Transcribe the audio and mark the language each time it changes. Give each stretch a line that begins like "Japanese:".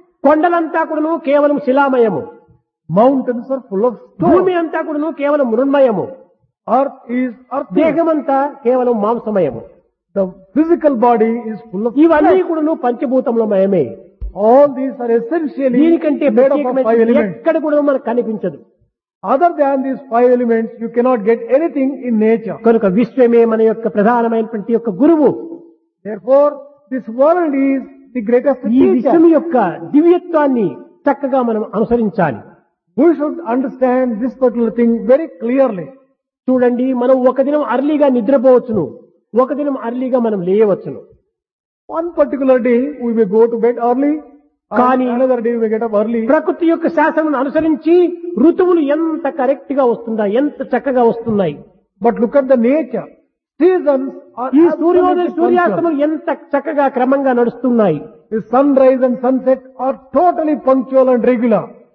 Telugu: కొండలంతా కూడాను కేవలం శిలామయము.
English: Mountains are full of stone.
Telugu: భూమి అంతా కూడాను కేవలం మృణ్మయము.
English: Earth is earth.
Telugu: దేహమంతా కేవలం మాంసమయము.
English: The physical body is full of.
Telugu: ఇవన్నీ కూడాను పంచభూతములమయమే.
English: All these are essentially.
Telugu: దీనికంటే భేదమైన ఎక్కడ కూడా మనకు కనిపించదు.
English: Other than these five elements, you cannot get anything in nature.
Telugu: కనుక విశ్వమే మన యొక్క ప్రధానమైనటువంటి యొక్క గురువు.
English: Therefore, this world is the greatest teacher.
Telugu: ఈ విశ్వము యొక్క దివ్యత్వాన్ని చక్కగా మనం అనుసరించాలి.
English: We should understand this particular thing very clearly.
Telugu: చూడండి, మనం ఒక దినం అర్లీగా నిద్రపోవచ్చును, ఒక దినం అర్లీగా మనం లేయవచ్చును.
English: One particular day we may go to bed early. Another day we get up early.
Telugu: ప్రకృతి యొక్క శాసనం అనుసరించి ఋతువులు ఎంత కరెక్ట్ గా వస్తుందా, ఎంత చక్కగా వస్తున్నాయి.
English: but look at the nature, seasons,
Telugu: ఈ సూర్యోదయ సూర్యాస్తమం ఎంత చక్కగా క్రమంగా నడుస్తున్నాయి.
English: Sunrise and sunset are totally punctual and regular.